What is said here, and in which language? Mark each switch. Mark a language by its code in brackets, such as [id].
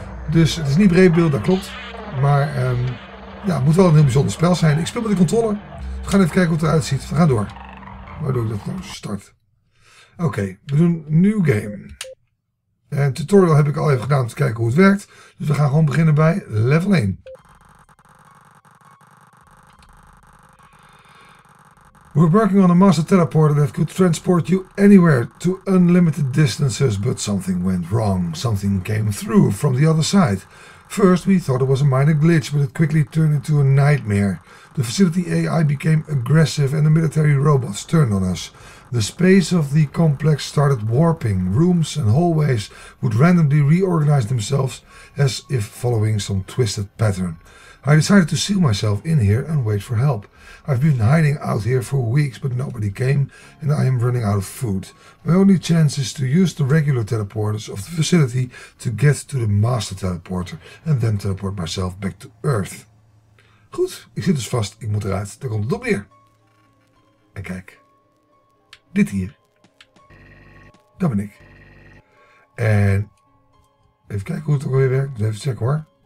[nl] Dus het is niet breedbeeld, dat klopt. Maar het moet wel een heel bijzonder spel zijn. Ik speel met de controller. We gaan even kijken hoe het eruit ziet. We gaan door. Waardoor ik dat nou start. Oké, we doen new game. En tutorial heb ik al even gedaan om te kijken hoe het werkt. Dus we gaan gewoon beginnen bij level 1. [en] We're working on a master teleporter that could transport you anywhere to unlimited distances, but something went wrong. Something came through from the other side. First, we thought it was a minor glitch, but it quickly turned into a nightmare. The facility AI became aggressive and the military robots turned on us. The space of the complex started warping. Rooms and hallways would randomly reorganize themselves as if following some twisted pattern. I decided to seal myself in here and wait for help. I've been hiding out here for weeks, but nobody came, and I am running out of food. My only chance is to use the regular teleporters of the facility to get to the master teleporter, and then teleport myself back to Earth. [nl] Goed, ik zit dus vast, ik moet eruit, daar komt het op neer. En kijk, dit hier, dat ben ik. En even kijken hoe het ook alweer werkt, even checken hoor.